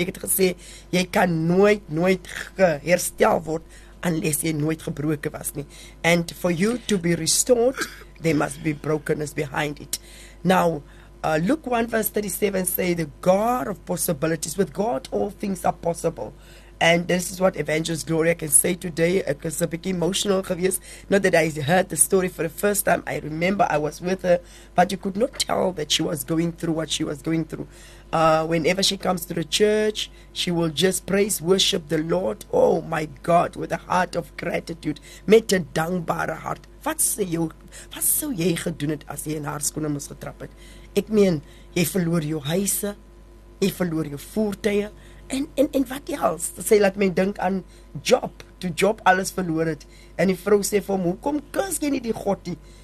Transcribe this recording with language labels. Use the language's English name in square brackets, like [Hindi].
[Afrikaans] Ek het gesê, jy kan nooit, nooit herstel word, unless jy nooit gebroken was nie. [English] And for you to be restored, there must be brokenness behind it. Now, Luke 1 verse 37 say, the God of possibilities, with God all things are possible. And this is what Evangelist Gloria can say today. [Afrikaans] Ek is a bit emotional geweest. [English] Not that I heard the story for the first time. I remember I was with her, but you could not tell that she was going through what she was going through. Whenever she comes to the church, she will just praise, worship the Lord. Oh my God, with a heart of gratitude. [Afrikaans] Met 'n dankbare hart. Wat sou jy gedoen het as jy in haar skoene moes getrap het? Ek meen, jy verloor jou huise, jy verloor jou voertuie. En wat else? Sy laat my dink aan Job. Toe Job alles verloor het. En die vrou sê vir hom, hoekom kus jy nie die God nie?